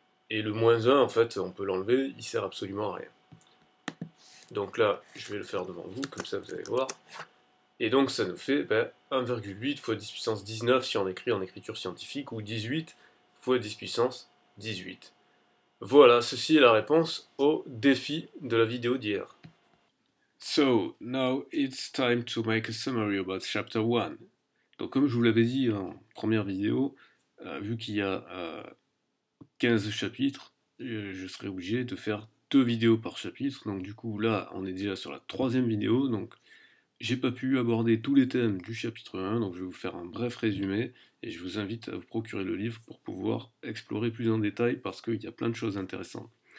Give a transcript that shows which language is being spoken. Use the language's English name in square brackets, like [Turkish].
[French] Et le moins 1, en fait, on peut l'enlever, il sert absolument à rien. Donc là, je vais le faire devant vous, comme ça vous allez voir. Et donc ça nous fait ben, 1,8 fois 10 puissance 19 si on écrit en écriture scientifique, ou 18 fois 10 puissance 18. Voilà, ceci est la réponse au défi de la vidéo d'hier. [English] So, now it's time to make a summary about chapter 1. [French] Donc comme je vous l'avais dit en première vidéo, vu qu'il y a 15 chapitres, je serai obligé de faire deux vidéos par chapitre. Donc du coup là, on est déjà sur la troisième vidéo, donc j'ai pas pu aborder tous les thèmes du chapitre 1, donc je vais vous faire un bref résumé, et je vous invite à vous procurer le livre pour pouvoir explorer plus en détail, parce qu'il y a plein de choses intéressantes.